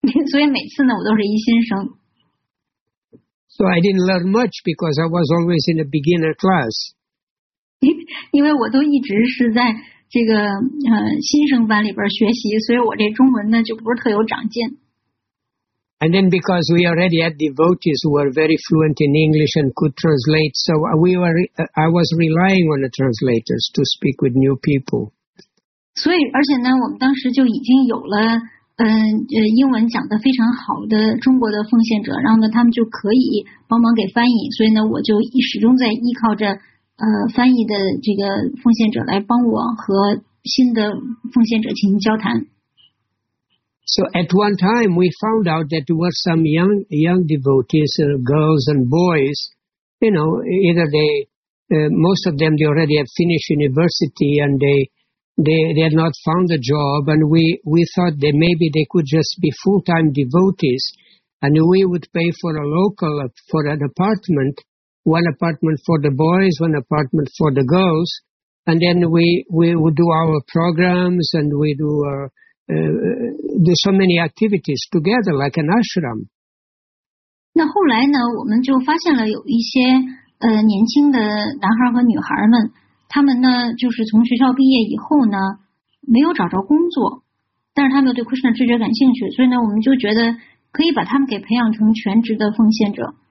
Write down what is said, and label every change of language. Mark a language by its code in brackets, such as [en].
[zh] 所以每次呢我都是一新生。 [en] So I didn't learn much because I was always in a beginner class. [zh] 因为我都一直是在这个新生班里边学习，所以我这中文呢就不是特有长进。 [en] And then because we already had devotees who were very fluent in English and could translate, so I was relying on the translators to speak with new people. [zh] 所以而且呢，我们当时就已经有了英文讲得非常好的中国的奉献者，然后呢他们就可以帮忙给翻译，所以呢我就始终在依靠着。翻译的这个奉献者来帮我和新的奉献者进行交谈。 [en] So at one time we found out that there were some young devotees, girls and boys, you know, either they, most of them they already have finished university and they had not found a job, and we thought that maybe they could just be full-time devotees and we would pay for a local, for an apartment, one apartment for the boys, one apartment for the girls, and then we would do our programs and we do do so many activities together like an ashram. [zh] 那后来呢，我们就发现了有一些年轻的男孩和女孩们，他们呢就是从学校毕业以后呢没有找着工作，但是他们对 Krishna 知觉感兴趣，所以呢我们就觉得可以把他们给培养成全职的奉献者。